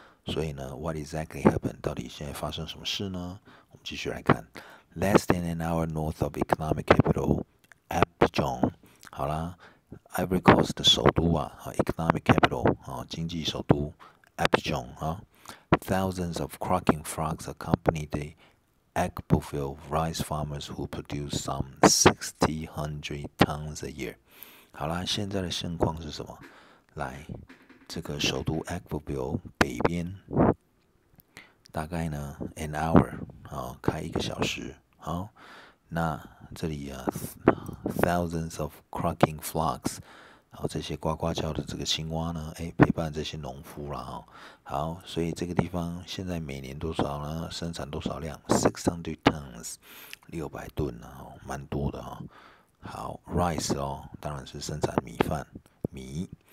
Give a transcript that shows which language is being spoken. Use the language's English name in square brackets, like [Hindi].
[Chinese] 所以呢 , [English] what exactly happened, [Chinese] 到底现在发生什么事呢我们继续来看。 [English] Less than an hour north of economic capital, Abidjan, [Chinese] 好啦 , Ivory Coast 的首都啊 [English] ,economic capital, [Chinese] 啊、哦、经济首都 [English] ,Abidjan, 啊。 Thousands of croaking frogs accompany the Agboville rice farmers who produce some 600 tons a year. [Chinese] 好啦，现在的现况是什么？来，这个首都 Agboville 北边，大概呢 [English] an hour [Chinese] 啊、哦，开一个小时。好，那这里啊 ， [English] thousands of croaking frogs。 [Chinese] 好，这些呱呱叫的这个青蛙呢，哎，陪伴这些农夫啦、哦、好，所以这个地方现在每年多少呢？生产多少量 ？ [English] 600 tons， [Chinese] 600吨啊、哦，蛮多的哈、哦。好 ，rice 哦，当然是生产米饭，米。